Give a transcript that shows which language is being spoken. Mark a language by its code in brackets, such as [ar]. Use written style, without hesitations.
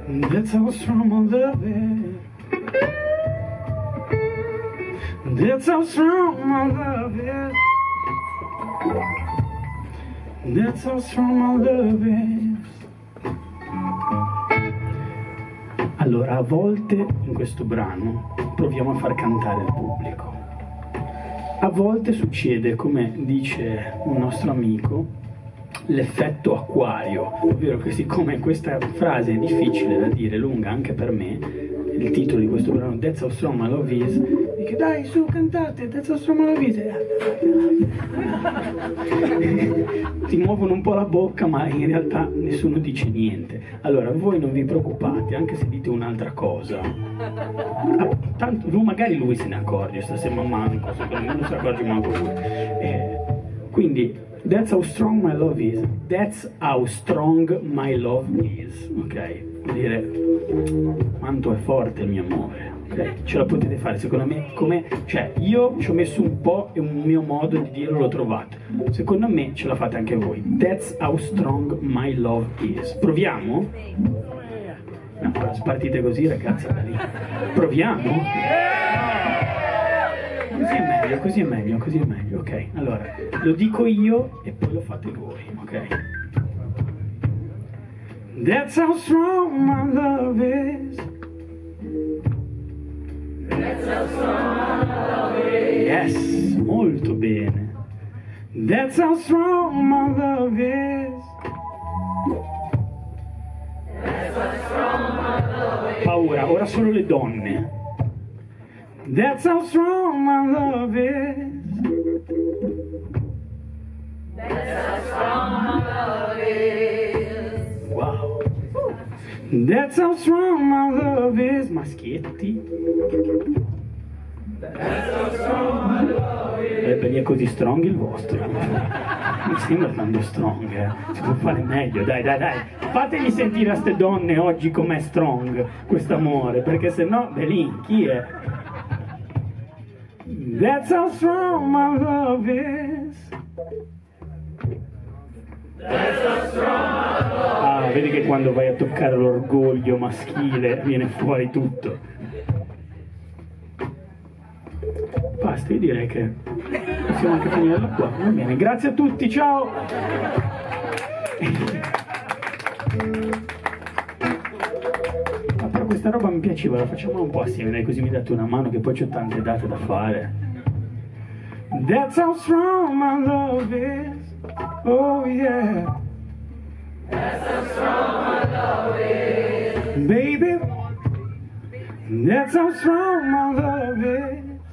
[en] That's how strong my love is. That's how strong my love is. That's how strong my love is. [it] Allora, a volte in questo brano proviamo a far cantare il pubblico. A volte succede, come dice un nostro amico, l'effetto acquario, ovvero che siccome questa frase è difficile da dire, lunga anche per me, il titolo di questo brano, [en] That's how strong my love is, [it] dice dai su cantate, That's how strong my love is. Ti muovono un po' la bocca, ma in realtà nessuno dice niente. Allora, voi non vi preoccupate, anche se dite un'altra cosa. Tanto, magari lui se ne accorge, sta sembra manco, non si accorge manco lui. Quindi, [en] That's how strong my love is. That's how strong my love is. [it] Ok, vuol dire quanto è forte il mio amore. Okay. Ce la potete fare, secondo me, come, cioè, io ci ho messo un po' e un mio modo di dirlo l'ho trovato. Secondo me ce la fate anche voi. [en] That's how strong my love is. [it] Proviamo? No, partite così, ragazzi, da lì. Proviamo? Così è meglio, così è meglio, così è meglio, ok. Allora, lo dico io e poi lo fate voi, ok? [en] That's how strong my love is. Yes, [it] molto bene. [en] That's how strong my love is. That's how strong my love is. [it] Paura, ora solo le donne. [en] That's how strong my love is. That's how strong my love is. Wow. That's how strong my love is. [it] Maschietti. [en] That's how strong my love is. [it] Ebbene, è così strong il vostro. Non sembra tanto strong, eh. Si può fare meglio, dai, dai, dai. Fatemi sentire a ste donne oggi com'è strong quest'amore, perché sennò, Belin, chi è? [en] That's how strong my love is. That's how strong my love is. [it] Ah, vedi che quando vai a toccare l'orgoglio maschile viene fuori tutto. Basta, io direi che possiamo anche finire qua. Va bene, grazie a tutti, ciao! Questa roba mi piaceva, la facciamo un po' assieme, dai, così mi date una mano, che poi c'ho tante date da fare. [en] That's how strong my love is. Oh yeah. That's how strong my love is. Baby. That's how strong my love is.